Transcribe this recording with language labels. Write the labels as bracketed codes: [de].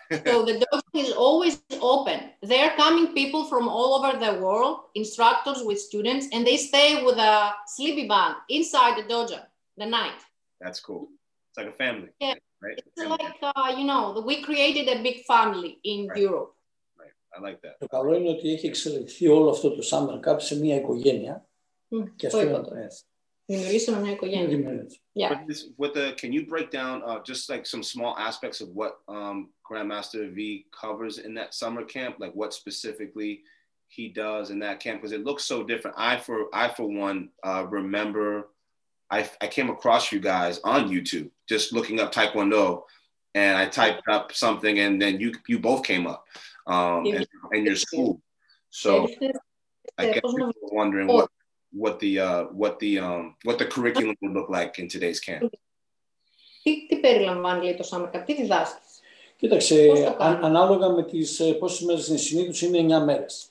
[en] So the dojo is always open. They are coming people from all over the world, instructors with students, and they stay with a sleepy bag inside the dojo the night. That's cool. It's like a family. Yeah. Right. It's like, you know, we created a big family in Europe. Right. I like that. [el] Το καλό είναι ότι έχει εξελιχθεί όλο αυτό το summer camp σε μια οικογένεια. Και αυτό είναι το δημιουργήσουμε μια οικογένεια. [en] Can you break down just like some small aspects of what Grandmaster V covers in that summer camp? Like what specifically he does in that camp? Because it looks so different. I, for one, remember... I came across you guys on YouTube, just looking up Taekwondo, and I typed up something, and then you both came up in your school. So I guess people are wondering what the curriculum would look like in today's camp. [el] Τι περιλαμβάνει λέει το summer camp, τι διδάσκεις? Κοίταξε, ανάλογα με τις πόσες μέρες είναι συνήθως, είναι 9 μέρες.